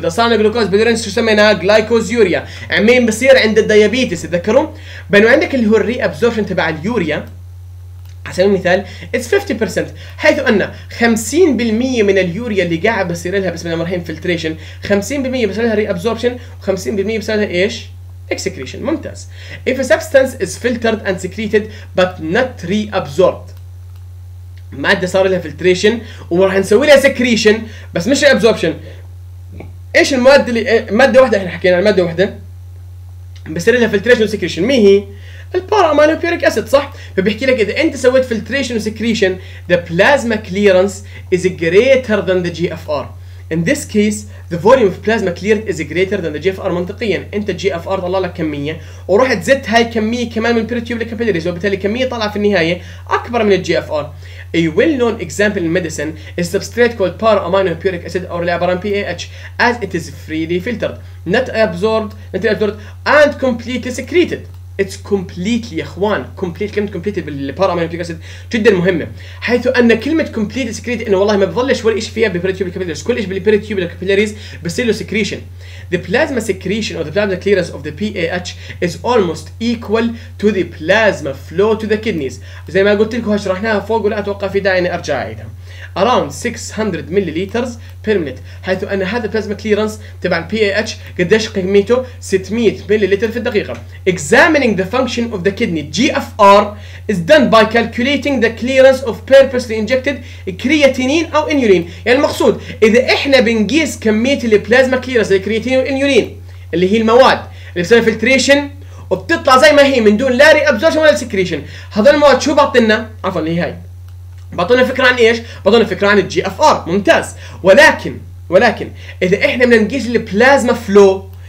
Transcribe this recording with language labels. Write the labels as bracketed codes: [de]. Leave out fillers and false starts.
[ar] واذا صار جلوكوز باليورين شو سميناها جلايكوز يوريا عمين بصير عند الديابيتس تذكروا. بينما عندك اللي هو الري ابزوربشن تبع اليوريا على سبيل المثال اتس 50% حيث ان 50% من اليوريا اللي قاعد بصير لها بسم الله الرحمن الرحيم فلتريشن 50% بصير لها ري ابزوربشن و 50% بصير لها ايش excretion. ممتاز. [en] If a substance is filtered and secreted but not reabsorbed [ar] مادة صار لها filtration وراح نسوي لها secretion بس مش reabsorption ايش المواد اللي ماده واحده احنا حكينا الماده واحده بصير لها فلتريشن وسكريشن مين هي البارامينوفيريك اسيد صح فبيحكي لك اذا انت سويت فلتريشن وسكريشن [en] the plasma clearance is greater than the GFR in this case the volume of plasma cleared is greater than the GFR [ar] منطقيا انت GFR طلع لك كميه ورحت زدت هاي الكميه كمان من بيرتيوب لكابيلاريز وبالتالي الكميه طالعه في النهايه اكبر من GFR [en] A well-known example in medicine is substrate called para-aminopuric acid or labarum PAH as it is freely filtered, not absorbed, and completely secreted. It's completely, [ar] إخوان, complete, كلمة completed بالparaminopuric acid جدا مهمة. حيث أن كلمة completely secreted إنه والله ما بظلش ولا إيش فيها بالperitubular capillaries. كل إيش بالperitubular capillaries بصير له secretion. [en] The plasma secretion or the plasma clearance of the PAH is almost equal to the plasma flow to the kidneys. [ar] زي ما قلت لكم هشرحناها فوق ولا أتوقع في داعي إني أرجع عيدها. [en] Around 600 milliliters per minute. [ar] حيث أن هذا plasma clearance تبع PAH قديش قيمته 600 milliliters في الدقيقة. [en] Examining the function of the kidney GFR is done by calculating the clearance of purposely injected creatinine or in urine. [ar] يعني المقصود إذا إحنا بنقيس كمية اللي plasma clearance اللي creatinine or in urine اللي هي المواد اللي بتسوي filtration وبتطلع زي ما هي من دون لا reabsorption ولا secretion. هذا المواد شو بعطينا؟ عفوا اللي هي بعطونا فكرة عن إيش؟ بعطونا فكرة عن الجي أف آر ممتاز ولكن إذا إحنا بدنا نقيس البلازما فلو